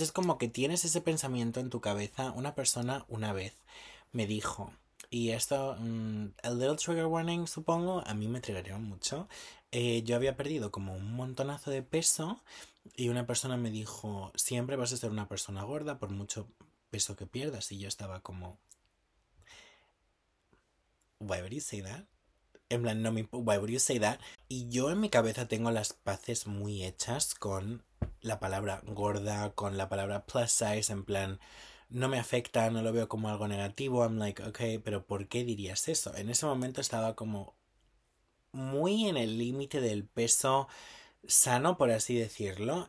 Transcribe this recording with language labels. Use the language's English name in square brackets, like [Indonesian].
[Spanish] Es como que tienes ese pensamiento en tu cabeza. Una persona una vez me dijo, y esto, a little trigger warning, supongo, a mí me triggeró mucho. Yo había perdido como un montonazo de peso y una persona me dijo, siempre vas a ser una persona gorda por mucho peso que pierdas. [English] Y yo estaba como, why would you say that? En plan, no me, why would you say that? [Spanish] Y yo en mi cabeza tengo las paces muy hechas con la palabra gorda, con la palabra plus size, en plan, no me afecta, no lo veo como algo negativo. I'm like, okay, pero ¿por qué dirías eso? En ese momento estaba como muy en el límite del peso sano, por así decirlo.